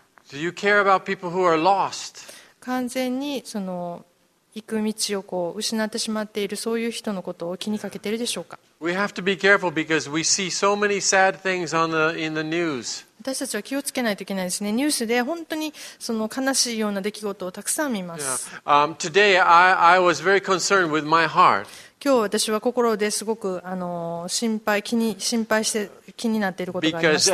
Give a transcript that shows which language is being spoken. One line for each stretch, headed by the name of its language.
English: Do you care about people who are lost?
Japanese: 完全にその行く道をこう失ってしまっているそういう人のことを気にかけているでしょうか？
English: We have to be careful because we see so many sad things in the news.
Japanese: 私たちは気をつけないといけないですね。ニュースで本当にその悲しいような出来事をたくさん見ます。
English: Today I was very concerned with my heart.
Japanese: 今日私は心ですごく心配して気になっていることがありました。